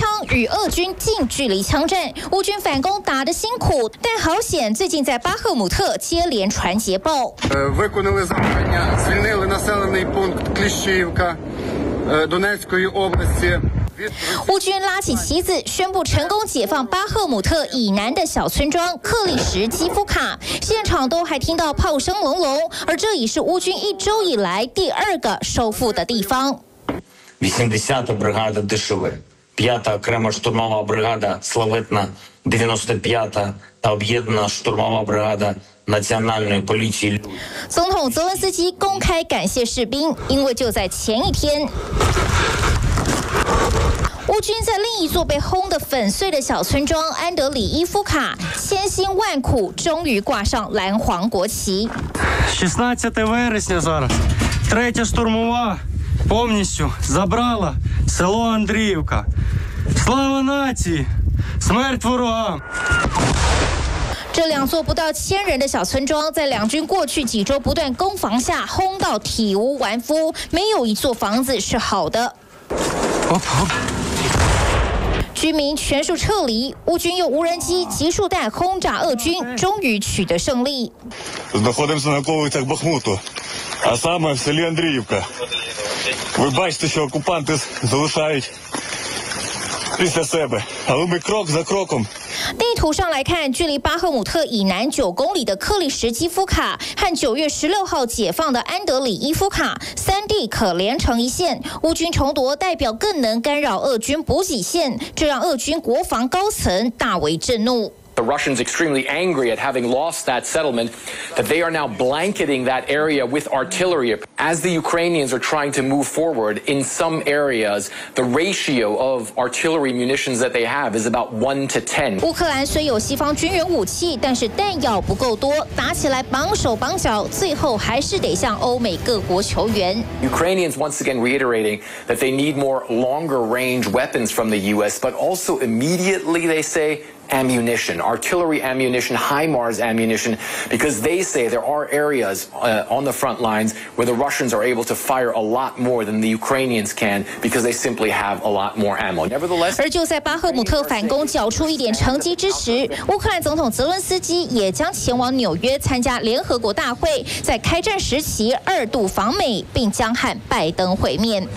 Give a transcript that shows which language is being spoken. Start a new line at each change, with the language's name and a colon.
Chinese: 与俄军近距离枪战，乌军反攻打得辛苦，但好险最近在巴赫姆特接连传捷报。
Ukrainian: Виконали завдання, звільнили населений пункт Кліщівка Донецької області。
Chinese: 乌军拉起旗子，宣布成功解放巴赫姆特以南的小村庄克利什基夫卡，现场都还听到炮声隆隆，而这已是乌军一周以来第二个收复的地方。
Ukrainian: 80th бригада дешеве。 5-та окрема штурмова бригада Славетна, 95-та та об'єднана штурмова бригада національної поліції.
Chinese: 总统泽伦斯基公开感谢士兵，因为就在前一天，乌军在另一座被轰得粉碎的小村庄安德里伊夫卡，千辛万苦终于挂上蓝黄国旗。
Ukrainian: 16 вересня зараз, третя штурмова повністю забрала село Андріївка. Слава нації! Смерть ворогам!
Chinese: 这两座不到千人的小村庄，在两军过去几周不断攻防下，轰到体无完肤，没有一座房子是好的。居民全数撤离，乌军用无人机、集束弹轰炸俄军，终于取得胜利。
Ukrainian: Знаходимося на околицях Бахмуту, а саме в селі Андріївка. Ви бачите, що окупанти залишають після себе, але ми крок за кроком。
Chinese: 地图上来看，距离巴赫姆特以南9公里的克利什基夫卡和9月16号解放的安德里伊夫卡，三地可连成一线。乌军重夺，代表更能干扰俄军补给线，这让俄军国防高层大为震怒。
English: The Russians are extremely angry at having lost that settlement, that they are now blanketing that area with artillery. As the Ukrainians are trying to move forward in some areas, the ratio of artillery munitions that they have is about 1-10.
Chinese: 乌克兰虽有西方军援武器，但是弹药不够多，打起来绑手绑脚，最后还是得向欧美各国求援。
English: Ukrainians once again reiterating that they need more longer range weapons from the U.S., but also immediately they say,ammunition, artillery ammunition, HIMARS ammunition, because they say there are areas, on the front lines where the Russians are able to fire a lot more than the Ukrainians can because they simply have a lot more ammo. Nevertheless,
Chinese: 而就在巴赫姆特反攻缴出一点成绩之时，乌克兰总统泽伦斯基也将前往纽约参加联合国大会，在开战时期二度访美，并将和拜登会面。